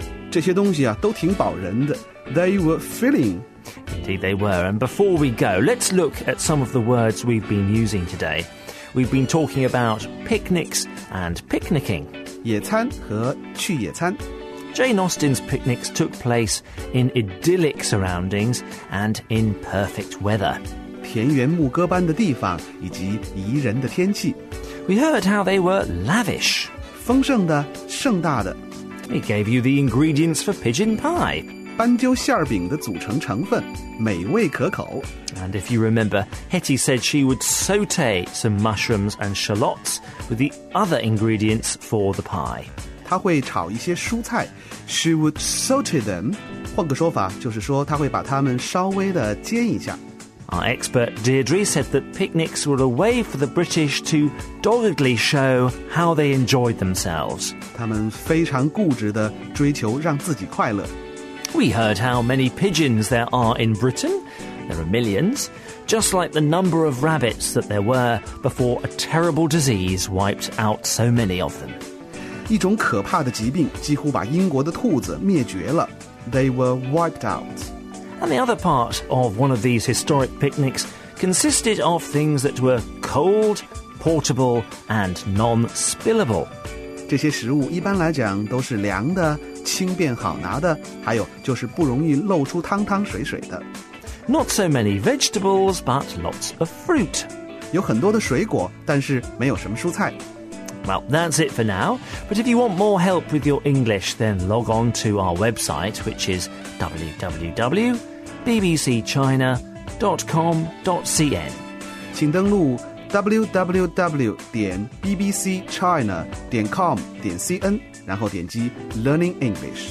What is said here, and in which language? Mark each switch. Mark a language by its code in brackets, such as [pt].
[zh] 这些东西啊都挺饱人的。 [en] They were filling. Indeed they were. And before we go, let's look at some of the words we've been using today. We've been talking about picnics and picnicking. [zh] 野餐和去野餐。 [en] Jane Austen's picnics took place in idyllic surroundings and in perfect weather. [zh] 田园牧歌般的地方以及宜人的天气。 [en] We heard how they were lavish. [zh] 丰盛的盛大的。 [en] It gave you the ingredients for pigeon pie. [zh] 斑鸠馅饼的组成成分，美味可口。 [en] And if you remember, Hetty said she would sauté some mushrooms and shallots with the other ingredients for the pie. [zh] 她会炒一些蔬菜。 [en] She would sauté them. [zh] 换个说法，就是说她会把它们稍微的煎一下。 [en] Our expert Deirdre said that picnics were a way for the British to doggedly show how they enjoyed themselves. [zh] 他们非常固执地追求让自己快乐。 [en] We heard how many pigeons there are in Britain. There are millions, just like the number of rabbits that there were before a terrible disease wiped out so many of them. [zh] 一种可怕的疾病几乎把英国的兔子灭绝了。 [en] They were wiped out. And the other part of one of these historic picnics consisted of things that were cold, portable, and non-spillable. [zh] 这些食物一般来讲都是凉的，轻便好拿的，还有就是不容易露出汤汤水水的。 [en] Not so many vegetables, but lots of fruit. [zh] 有很多的水果，但是没有什么蔬菜。 [en] Well, that's it for now. But if you want more help with your English, then log on to our website, which is www.bbcchina.com.cn. [zh] 请登录 www.bbcchina.com.cn, 然后点击 Learning English.